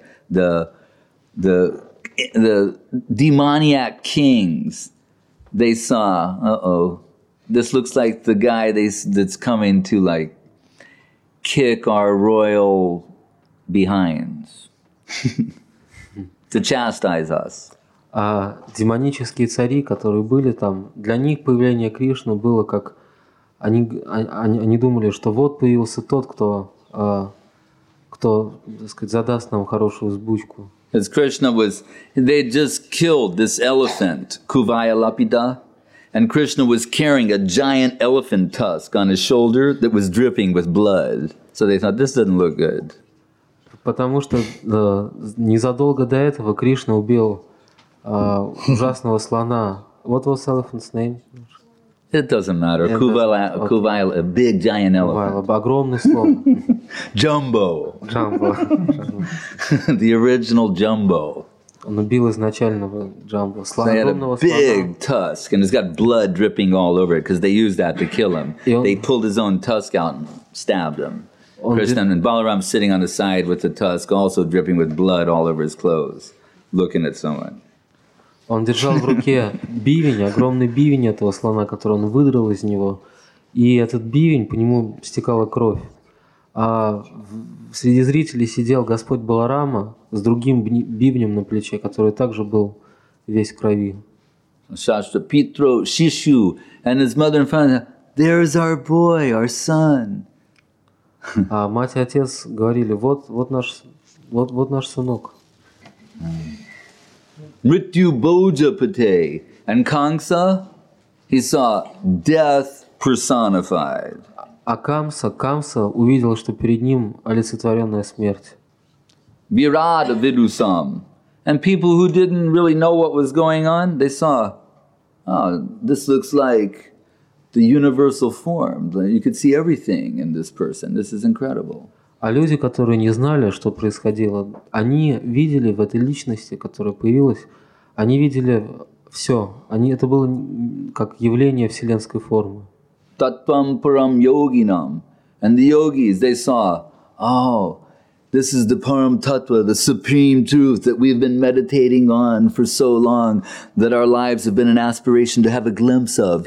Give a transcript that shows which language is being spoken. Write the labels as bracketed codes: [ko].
[en] That the demoniac kings, they saw, this looks like the guy that's coming to like kick our royal behinds to chastise us. [ru] А демонические цари, которые были там, для них появление Кришны было как... Они думали, что вот появился тот, кто так сказать, задаст нам хорошую взбучку. [en] Because Krishna was... They just killed this elephant, Kuvaya Lapida, and Krishna was carrying a giant elephant tusk on his shoulder that was dripping with blood. So they thought, this doesn't look good. [ru] Потому что незадолго до этого Кришна убил... ужасного слона. [en] What was elephant's name? It doesn't matter. Kuvala, okay. Kuvala, a big giant elephant. [ru] Kuvala, огромный слон. [en] Jumbo. Jumbo. The original Jumbo. [ru] Он убил изначального Jumbo. Слон so огромного слона. [en] Big tusk, and it's got blood dripping all over it, because they used that to kill him. They pulled his own tusk out and stabbed him. Krishna and Balaram sitting on the side with the tusk, also dripping with blood all over his clothes, looking at someone. [ru] Он держал в руке бивень, огромный бивень этого слона, который он выдрал из него. И этот бивень, по нему стекала кровь. А среди зрителей сидел Господь Баларама с другим бивнем на плече, который также был весь в крови. [en] Шашта, Питро, Шишу, and his mother and father, there's our boy, our son. [ru] А мать и отец говорили, вот наш сынок. [en] Mrityu Boja Pate, and Kamsa, he saw death personified. [ru] А Камса увидел, что перед ним олицетворенная смерть. [en] Virada Vidusam, and people who didn't really know what was going on, they saw, this looks like the universal form. You could see everything in this person. This is incredible. [ru] А люди, которые не знали, что происходило, они видели в этой личности, которая появилась, они видели все. Они, это было как явление вселенской формы. [sa] Tatvam Param Yoginam. [en] And the yogis, they saw, this is the Param Tattva, the supreme truth that we've been meditating on for so long, that our lives have been an aspiration to have a glimpse of.